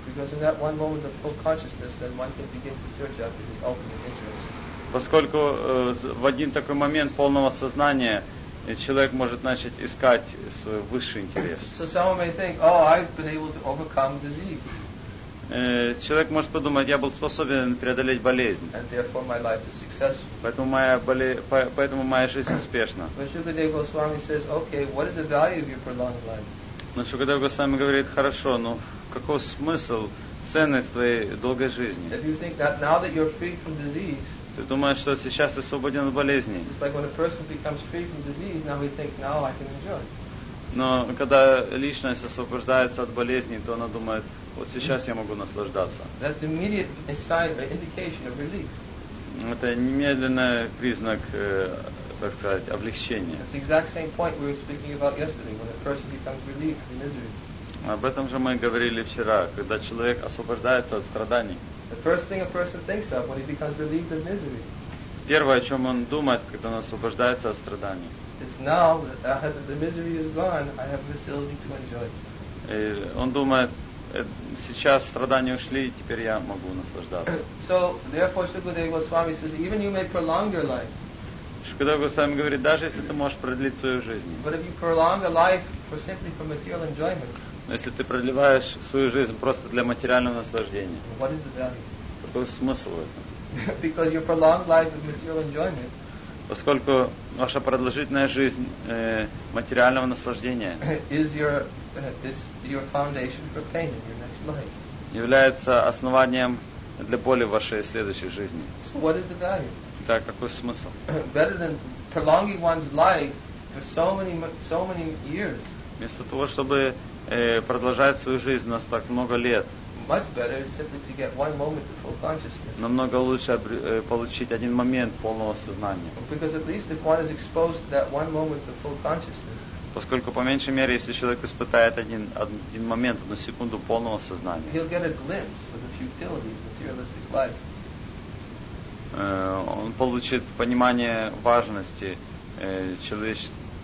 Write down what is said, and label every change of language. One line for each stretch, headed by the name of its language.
English: Because in that one moment of full consciousness, then one can begin to search after his ultimate interest.
Russian: Поскольку в один такой момент полного сознания человек может начать искать свой высший интерес.
English: So someone may think, oh, I've been able to overcome disease.
Russian: Человек может подумать, я был способен преодолеть болезнь.
English: And therefore my life is successful.
Russian: Поэтому моя жизнь успешна.
English: But Shukadev Goswami says, okay, what is the value of your prolonged life?
Russian: Но Шукадев Госвами говорит, хорошо, но какой смысл, ценность твоей долгой жизни?
English: If you think that now that you're free from disease,
Russian: ты думаешь, что сейчас ты свободен от болезни.
English: It's like when a person becomes free from disease, now we think, now I can enjoy.
Russian: Но когда личность освобождается от болезни, то она думает, вот сейчас я могу наслаждаться.
English: That's the immediate sign, indication of relief.
Russian: Это немедленный признак, так сказать, облегчения.
English: It's the exact same point we were speaking about yesterday, when a person becomes relieved from misery.
Russian: Об этом же мы говорили вчера, когда человек освобождается от страданий.
English: The first thing a person thinks of when he becomes relieved of misery.
Russian: Первое, о чем он думает, когда он освобождается от страданий.
English: It's now that the misery is gone, I have the facility to enjoy.
Russian: И он думает, сейчас страдания ушли, теперь я могу наслаждаться.
English: So therefore, Shukadeva Goswami says, even you may prolong your life.
Russian: Шукадева Госвами говорит, даже если ты можешь продлить свою жизнь.
English: But if you prolong a life for simply for material enjoyment.
Russian: Но если ты продлеваешь свою жизнь просто для материального наслаждения, какой смысл это?
English: Because your prolonged life is material enjoyment.
Russian: Поскольку ваша продолжительная жизнь материального наслаждения
English: is your foundation for pain in your next life.
Russian: Является основанием для боли в вашей следующей жизни.
English: So what is the value?
Russian: Так, какой смысл?
English: Better than prolonging one's life for so many years.
Russian: Вместо того, чтобы продолжать свою жизнь у нас так много лет.
English: Much better simply to get one moment of full consciousness.
Russian: Намного лучше получить один момент полного сознания.
English: Because at least if one is exposed to that one moment of full consciousness.
Russian: Поскольку по меньшей мере, если человек испытает один момент, одну секунду полного сознания.
English: He'll get a glimpse of the futility of materialistic life.
Russian: Он получит понимание важности человечества.